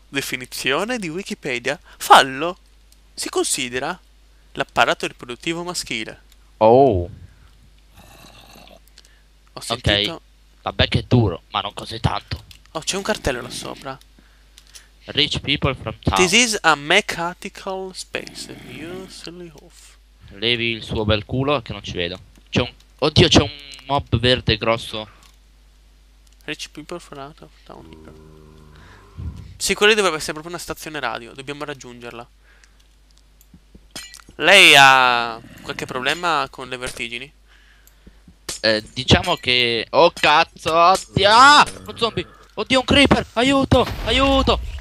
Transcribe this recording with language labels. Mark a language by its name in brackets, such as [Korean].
[Italian] Definizione di Wikipedia. Fallo si considera l'apparato riproduttivo maschile. Oh. Ho sentito. Okay. Vabbè che è duro, ma non così tanto. Oh, c'è un cartello là sopra. [English] Rich people from town. This is a mechanical space. You silly hoof. [Italian] Levi il suo bel culo che non ci vedo. C'è un... Oddio, c'è un mob verde grosso. [English] Rich people from out of town. [Italian] Sì, quella dovrebbe essere proprio una stazione radio. Dobbiamo raggiungerla. Lei ha qualche problema con le vertigini? Diciamo che... Oh cazzo, oddio! Ah, un zombie! Oddio, un creeper! Aiuto! Aiuto!